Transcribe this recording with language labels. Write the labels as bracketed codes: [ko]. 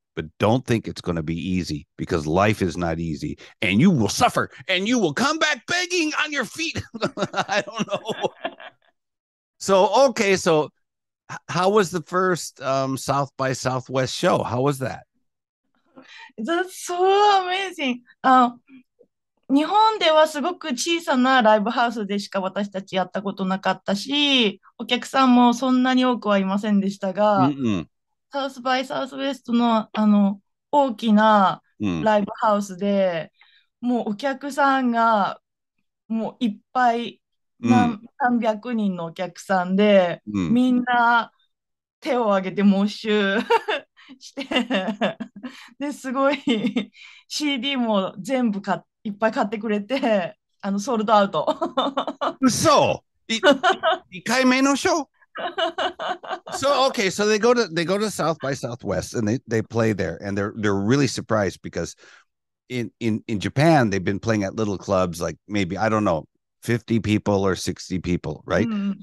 [en] But don't think it's going to be easy because life is not easy and you will suffer and you will come back begging on your feet. I don't know. So, okay. So how was the first South by Southwest show? How was that? That's so amazing. [ja] 日本ではすごく小さなライブハウスでしか私たちやったことなかったし、お客さんもそんなに多くはいませんでしたが、 mm-hmm. サウスバイサウスウェストの大きなライブハウスで、もうお客さんがもういっぱい何百人のお客さんで、みんな手を挙げて猛襲してですごいCD も全部いっぱい買ってくれてソールドアウト。そう1回目のショー [en] so okay, so they go to South by Southwest and they play there and they're really surprised because in Japan they've been playing at little clubs like maybe I don't know 50 people or 60 people, right? Mm-hmm.